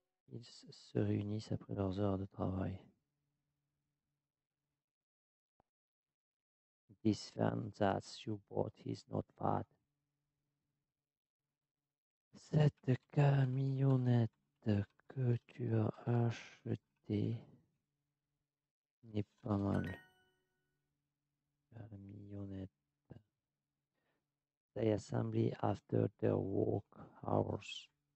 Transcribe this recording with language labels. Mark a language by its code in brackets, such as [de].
[fr] Ils se réunissent après leurs heures de travail. [en] This van that you bought is not bad. [fr] Cette camionnette que tu as achetée n'est pas mal. Camionnette. [en] They assembly after their work hours.